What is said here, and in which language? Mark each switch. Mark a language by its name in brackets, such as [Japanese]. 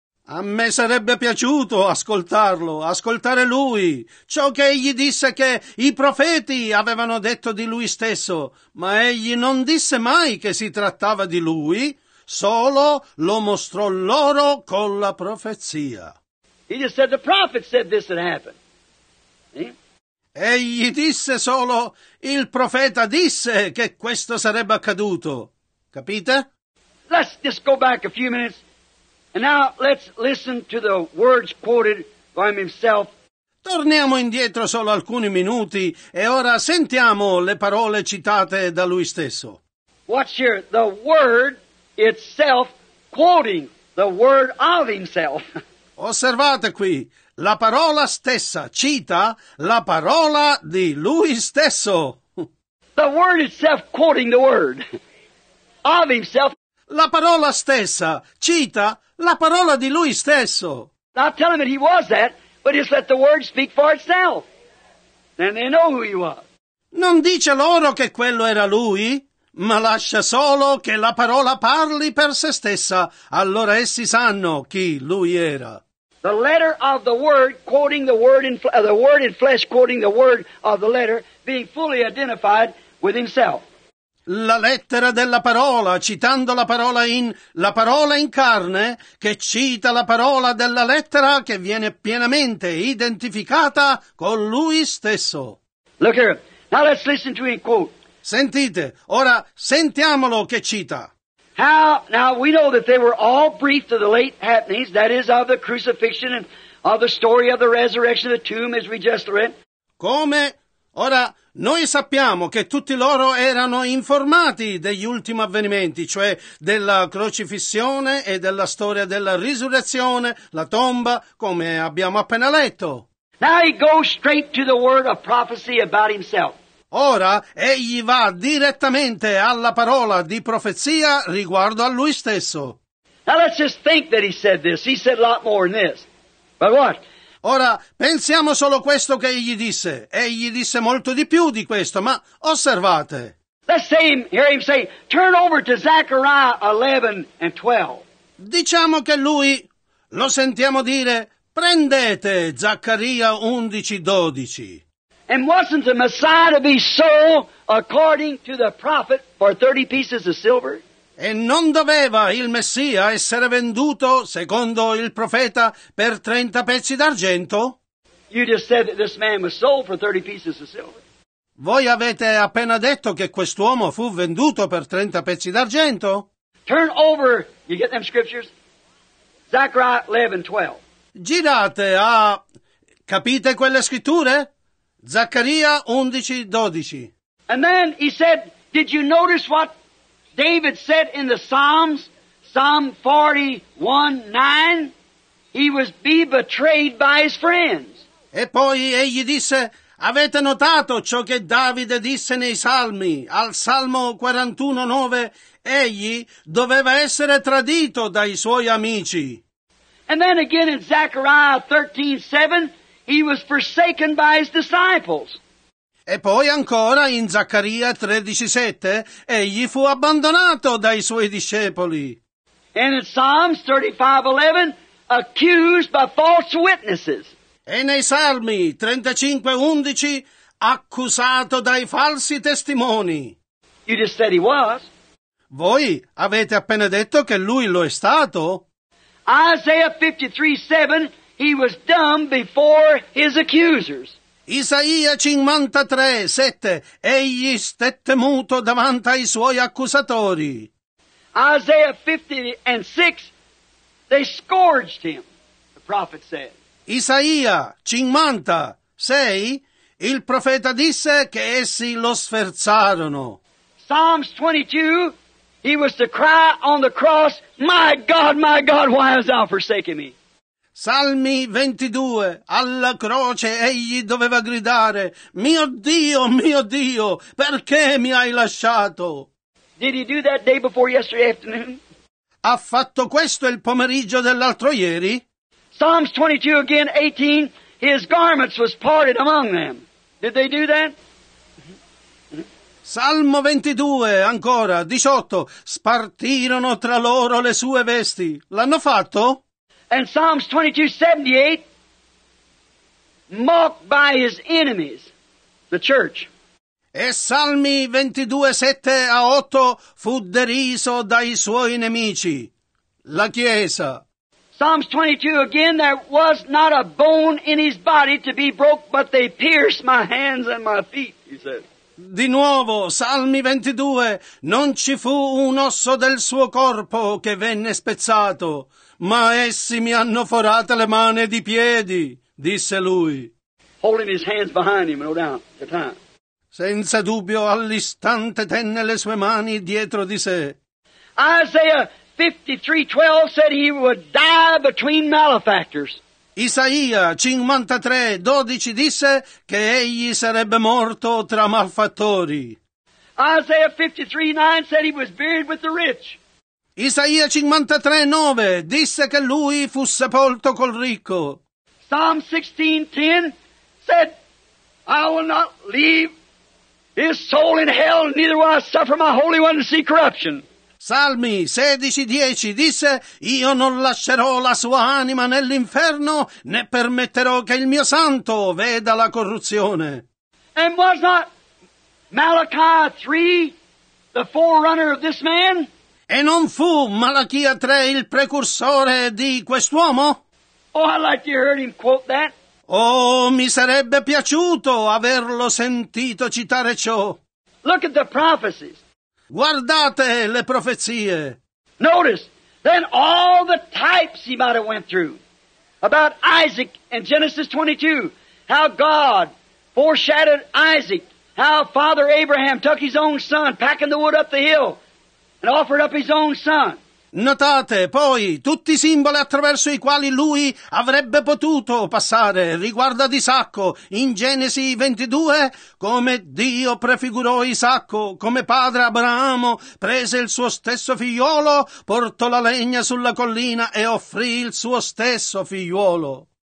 [Italian] A me sarebbe piaciuto ascoltarlo, ascoltare lui, ciò che egli disse che i profeti avevano detto di lui stesso, ma egli non disse mai che si trattava di lui, solo lo mostrò loro con la profezia. [English] He just said the prophet said this had happened. Eh? [Italian] Egli disse solo, il profeta disse che questo sarebbe accaduto. Capite? [English] Let's just go back a few minutes. And now let's listen to the words quoted by himself. [Italian] Torniamo indietro solo alcuni minuti e ora sentiamo le parole citate da lui stesso. [English] Watch here, the word itself quoting the word of himself. [Italian] Osservate qui, la parola stessa cita la parola di lui stesso. [English] The word itself quoting the word of himself. [Italian] La parola stessa cita la parola di lui stesso. [English] Not telling that he was that, but just let the word speak for itself. Then they know who he was. [Italian] Non dice loro che quello era lui, ma lascia solo che la parola parli per se stessa, allora essi sanno chi lui era. [English] The letter of the word quoting the word in flesh quoting the word of the letter being fully identified with himself. [Italian] La lettera della parola citando la parola in carne che cita la parola della lettera che viene pienamente identificata con lui stesso. [English] Look here. Now let's listen to him quote. [Italian] Sentite, ora sentiamolo che cita. [English] Now we know that they were all brief to the late happenings, that is of the crucifixion and of the story of the resurrection of the tomb as we just read. [Italian] Come? Ora, noi sappiamo che tutti loro erano informati degli ultimi avvenimenti, cioè della crocifissione e della storia della risurrezione, la tomba, come abbiamo appena letto. [English] Now he goes straight to the word of prophecy about himself. [Italian] Ora egli va direttamente alla parola di profezia riguardo a lui stesso. [English] Now let's just think that he said this. He said a lot more than this. But what? [Italian] Ora pensiamo solo questo che egli disse. Egli disse molto di più di questo, ma osservate. [English] Let's hear him say, turn over to Zechariah 11 and 12. [Italian] Diciamo che lui, lo sentiamo dire, prendete Zaccaria 11:12. [English] And wasn't the Messiah to be sold according to the prophet for 30 pieces of silver? [Italian] E non doveva il Messia essere venduto, secondo il profeta, per 30 pezzi d'argento? [English] You just said that this man was sold for 30 pieces of silver. [Italian] Voi avete appena detto che quest'uomo fu venduto per 30 pezzi d'argento? [English] Turn over, you get them scriptures? Zechariah 11:12. [Italian] Girate a... Capite quelle scritture? Zaccaria 11:12. [English] And then he said, did you notice what David said in the Psalms? Psalm 41:9. He was be betrayed by his friends. [Italian] E poi egli disse, avete notato ciò che Davide disse nei Salmi? Al Salmo 41:9, egli doveva essere tradito dai suoi amici. [English] And then again in Zechariah 13:7. He was forsaken by his disciples. [Italian] E poi ancora in Zaccaria 13:7, egli fu abbandonato dai suoi discepoli. [English] And in Psalms 35:11, accused by false witnesses. [Italian] E nei Salmi 35:11, accusato dai falsi testimoni. [English] You just said he was. [Italian] Voi avete appena detto che lui lo è stato. [English] Isaiah 53:7. He was dumb before his accusers. [Italian] Isaia 53:7. Egli stette muto davanti ai suoi accusatori. [English] Isaiah 50:6. They scourged him, the prophet said. [Italian] Isaia 50:6. Il profeta disse che essi lo sferzarono. [English] Psalms 22. He was to cry on the cross, my God, why hast thou forsaken me? [Italian] Salmi 22, alla croce egli doveva gridare, mio Dio, perché mi hai lasciato? [English] Did he do that day before yesterday afternoon? [Italian] Ha fatto questo il pomeriggio dell'altro ieri? [English] Psalms 22 again, 18, his garments was parted among them. Did they do that? [Italian] Salmo 22, ancora, 18, spartirono tra loro le sue vesti. L'hanno fatto? [English] And Psalms 22:78, mocked by his enemies, the church. [Italian] E Salmi 22:7-8 fu deriso dai suoi nemici, la chiesa. [English] Psalms 22 again, there was not a bone in his body to be broke, but they pierced my hands and my feet, he said. [Italian] Di nuovo, Salmi 22, non ci fu un osso del suo corpo che venne spezzato, ma essi mi hanno forato le mani di piedi, disse lui. [English] Holding his hands behind him, no doubt, the time. [Italian] Senza dubbio, all'istante tenne le sue mani dietro di sé. [English] Isaiah 53:12 said he would die between malefactors. [Italian] Isaia 53:12 disse che egli sarebbe morto tra malfattori. [English] Isaiah 53:9 said he was buried with the rich. [Italian] Isaia 53:9 disse che lui fu sepolto col ricco. [English] Psalm 16:10 said, I will not leave his soul in hell, neither will I suffer my holy one to see corruption. [Italian] Salmi 16:10 disse, io non lascerò la sua anima nell'inferno, né permetterò che il mio santo veda la corruzione. [English] And was not Malachi 3 the forerunner of this man? [Italian] E non fu Malachia 3 il precursore di quest'uomo? [English] Oh, I'd like to hear him quote that. [Italian] Oh, mi sarebbe piaciuto averlo sentito citare ciò. [English] Look at the prophecies. [Italian] Guardate le profezie. [English] Notice, then all the types he might have went through about Isaac in Genesis 22, how God foreshadowed Isaac, how Father Abraham took his own son, packing the wood up the hill, and offered up his own son. [Italian] Notate poi tutti i simboli attraverso i quali lui avrebbe potuto passare riguardo ad Isacco in Genesi 22, come Dio prefigurò Isacco, come padre Abramo prese il suo stesso figliolo, portò la legna sulla collina e offrì il suo stesso figliolo.